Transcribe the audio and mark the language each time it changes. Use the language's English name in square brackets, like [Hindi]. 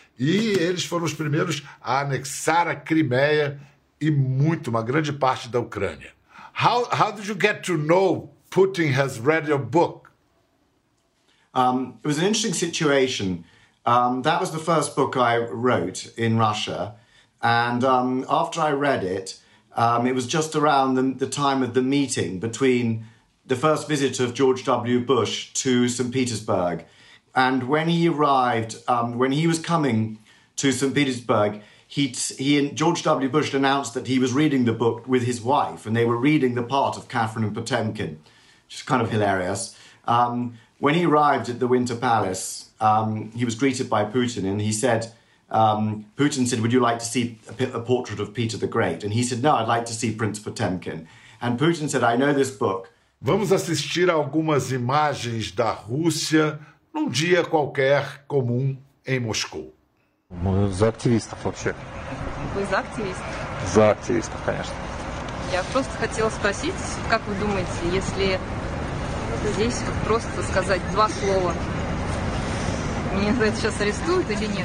[Portuguese] E eles foram os primeiros a anexar a Crimeia e muito, uma grande parte da Ucrânia. [English] How did you get to know Putin has read your book? It was an interesting situation. That was the first book I wrote in Russia. And after I read it, it was just around the time of the meeting between the first visit of George W. Bush to St. Petersburg. And when he arrived, when he was coming to St. Petersburg, he and George W. Bush announced that he was reading the book with his wife, and they were reading the part of Catherine and Potemkin, which is kind of hilarious. When he arrived at the Winter Palace, he was greeted by Putin, and he said, Putin said, would you like to see a portrait of Peter the Great? And he said, no, I'd like to see Prince Potemkin. And Putin said, I know this book. [Portuguese] Vamos assistir a algumas imagens da Rússia num dia qualquer comum em Moscou. Os ativistas, [Russian] вообще. Вы за активистов? За активистов, конечно. Я просто хотела спросить, как вы думаете, если здесь просто сказать два слова, меня за это сейчас арестуют или нет?